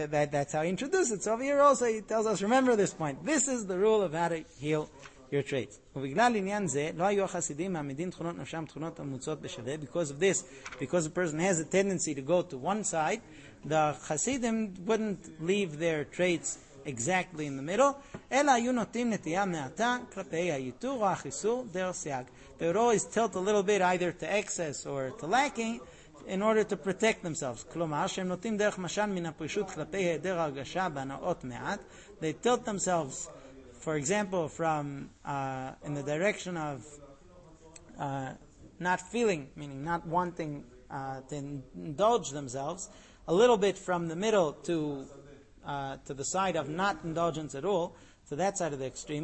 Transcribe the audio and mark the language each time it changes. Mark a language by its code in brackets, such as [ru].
[en] That's how he introduced it. So over here also he tells us, remember this point. This is the rule of how to heal your traits. [he] ובגלל עניין זה, לא היו החסידים מעמידים תכונות נפשם תכונות המוצאות בשווה. [en] Because of this, because a person has a tendency to go to one side, the חסידים wouldn't leave their traits exactly in the middle. [he] אלא היו נוטים נטייה מעטה כלפי היתור או החיסור דר סייג. [en] They would always tilt a little bit either to excess or to lacking, in order to protect themselves. [he] כלומר, שהם נותנים דרך משל מן הפרישות כלפי היעדר הרגשה בהנאות מעט. [en] They tilt themselves, for example, from in the direction of not feeling, meaning not wanting to indulge themselves, a little bit from the middle to the side of not indulgence at all, to that side of the extreme.